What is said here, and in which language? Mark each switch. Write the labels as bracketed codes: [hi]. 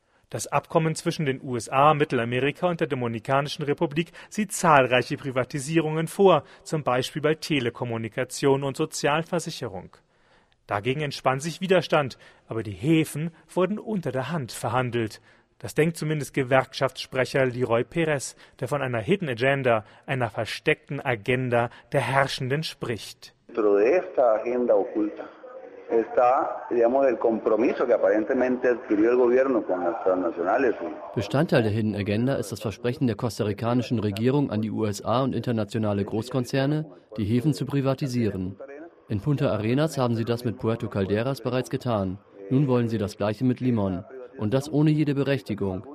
[de] Das Abkommen zwischen den USA, Mittelamerika und der Dominikanischen Republik sieht zahlreiche Privatisierungen vor, zum Beispiel bei Telekommunikation und Sozialversicherung. Dagegen entspann sich Widerstand, aber die Häfen wurden unter der Hand verhandelt. Das denkt zumindest Gewerkschaftssprecher Leroy Perez, der von einer Hidden Agenda, einer versteckten Agenda der Herrschenden spricht. [es] Pero de esta agenda oculta está, digamos, el compromiso que aparentemente adquirió el gobierno con las transnacionales. [de] Bestandteil der Hidden Agenda ist das Versprechen der kostarikanischen Regierung an die USA und internationale Großkonzerne, die Häfen zu privatisieren. In Punta Arenas haben sie das mit Puerto Calderas bereits getan. Nun wollen sie das Gleiche mit Limon. Und das ohne jede Berechtigung.